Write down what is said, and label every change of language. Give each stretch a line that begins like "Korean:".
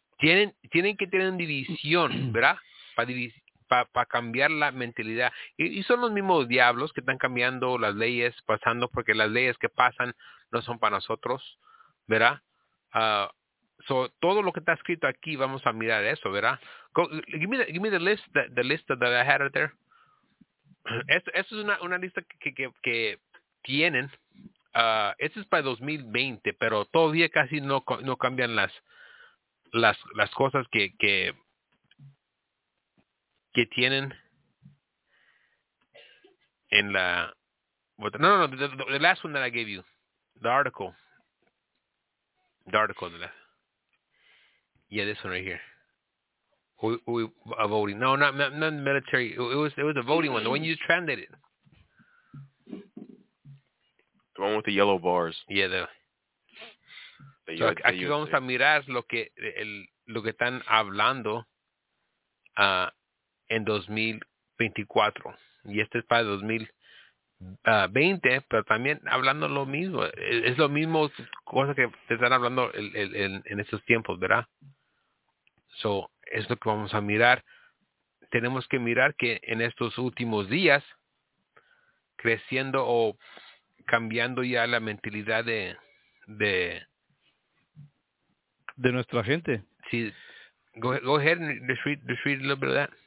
Spanish: Tienen que tener división, ¿verdad? Para cambiar la mentalidad. Y son los mismos diablos que están cambiando las leyes, pasando, porque las leyes que pasan no son para nosotros, ¿verdad? Todo lo que está escrito aquí, vamos a mirar eso, ¿verdad?
English: Give me the list that I had right there.
Spanish: Esto es una lista que tienen. Esto es para 2020, pero todavía casi no cambian las cosas que tienen en la...
English: The last one that I gave you. The article. Yeah, this one right here. We voting. No, not the military. It was a voting one. The one you just translated. The one with the yellow bars. Yeah, the.
Spanish: Aquí vamos a mirar lo que están hablando en 2024. Y este es para 2020, pero también hablando lo mismo. Es lo mismo cosa que te están hablando en estos tiempos, ¿verdad? So, es lo que vamos a mirar. Tenemos que mirar que en estos últimos días, creciendo o cambiando ya la mentalidad de nuestra gente. Sí.
English: Go ahead and read a little bit of that.